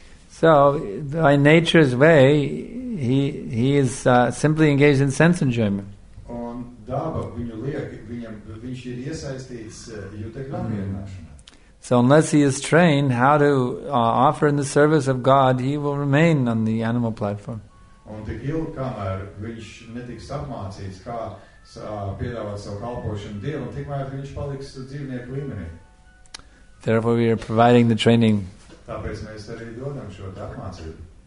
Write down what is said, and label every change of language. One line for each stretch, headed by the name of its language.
English: So, by nature's way, he is simply engaged in sense enjoyment.
Latvian: Daba viņu liek, viņš ir iesaistīts jūtekļu apmierināšanā.
English: So unless he is trained how to offer in the service of God, he will remain on the animal platform.
Latvian: Un tik ilgi, kamēr viņš netiks apmācīts, kā piedāvāt savu kalpošanu Dievam, tikmēr viņš paliks dzīvnieku līmenī.
English: Therefore we are providing the training.
Latvian: Tāpēc mēs arī dodam šo apmācību.